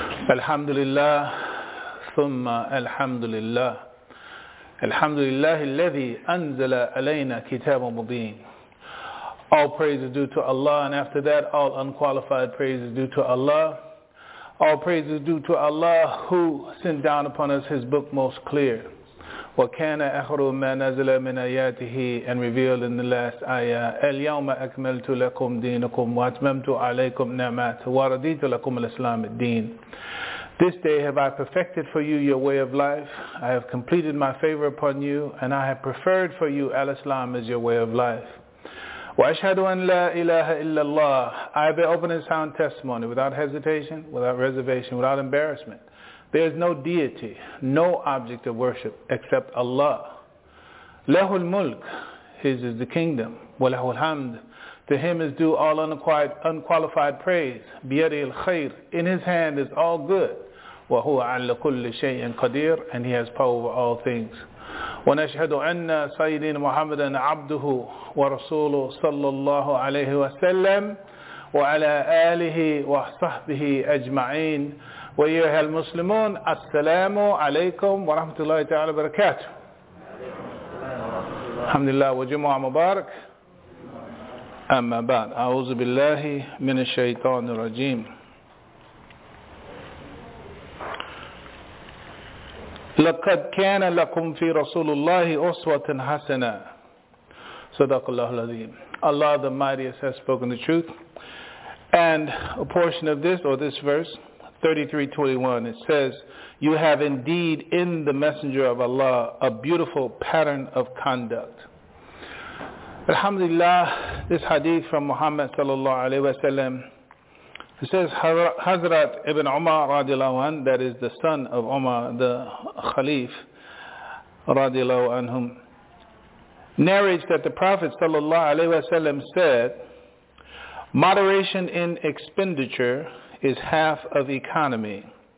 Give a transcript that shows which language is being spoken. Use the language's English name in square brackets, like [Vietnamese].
[Arabic] الحمد لله ثم الحمد لله الحمد لله الذي أنزل علينا كتاب مبين. [English] All praise is due to Allah, and after that all unqualified praise is due to Allah. All praise is due to Allah who sent down upon us His book most clear. [Arabic] وَكَانَ أَخْرُ مَا نَزَلَ مِنْ آيَاتِهِ [English] and revealed in the last ayah [Arabic] الْيَوْمَ أَكْمَلْتُ لَكُمْ دِينَكُمْ وَأَتْمَمْتُ عَلَيْكُمْ نِعْمَتِي وَرَضِيتُ لَكُمْ الْإِسْلَامَ الدِّينَ. [English] This day have I perfected for you your way of life. I have completed my favor upon you, and I have preferred for you al-Islam as your way of life. [Arabic] وَأَشْهَدُ أَنْ لَا إِلَهَ إِلَّا اللَّهِ [English] I bear open and sound testimony without hesitation, without reservation, without embarrassment. There is no deity, no object of worship except Allah. [Arabic] لَهُ الْمُلْكُ [English] His is the kingdom. [Arabic] وَلَهُ الْحَمْدُ [English] To Him is due all unqualified praise. [Arabic] بِيَدِهِ الْخَيْرِ [English] In His hand is all good. [Arabic] وَهُوَ عَلَّ كُلِّ شَيْءٍ قَدِيرٌ [English] And He has power over all things. [Arabic] وَنَشْهَدُ أَنَّ سَيِّدِينَ مُحَمَّدًا عَبْدُهُ وَرَسُولُهُ صَلَّى اللَّهُ عَلَيْهِ وَسَلَّمُ وَعَلَى آلِهِ وَصَحْبِهِ أَجْمَعِينَ وَيَا الْمُسْلِمُونَ السَّلَامُ عَلَيْكُمْ وَرَحْمَةُ اللَّهِ تَعَالَى وَبَرَكَاتُهُ الحمد لله وجمع مبارك أما بعد أعوذ بالله من الشيطان الرجيم لَقَدْ كَانَ لَكُمْ فِي رَسُولُ اللَّهِ أُسْوَةٍ حَسَنًا صدق الله العظيم. [English] Allah the Mightiest has spoken the truth. And a portion of this, or this verse, 33:21, it says, You have indeed in the Messenger of Allah a beautiful pattern of conduct. Alhamdulillah, this hadith from Muhammad sallallahu alayhi wa sallam, it says, Hazrat ibn Umar radiallahu an, that is the son of Umar, the Khalif radiallahu anhum, narrates that the Prophet sallallahu alayhi wa sallam said, Moderation in expenditure is half of economy.